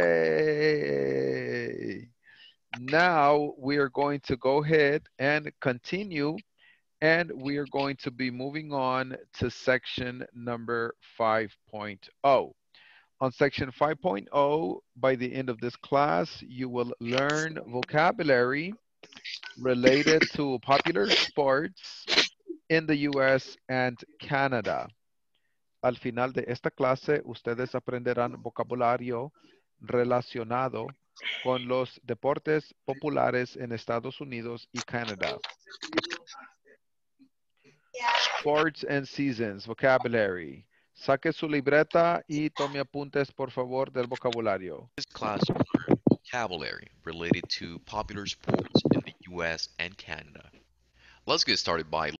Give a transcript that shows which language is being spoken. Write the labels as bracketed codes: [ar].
[en] Yay! Now we are going to go ahead and continue, and we are going to be moving on to section number 5.0. On section 5.0, by the end of this class, you will learn vocabulary related to popular sports in the US and Canada. [es] Al final de esta clase, ustedes aprenderán vocabulario relacionado con los deportes populares en Estados Unidos y Canadá. [en] Sports and seasons, vocabulary. [es] Saque su libreta y tome apuntes, por favor, del vocabulario. [en] This class will learn vocabulary related to popular sports in the U.S. and Canada. Let's get started by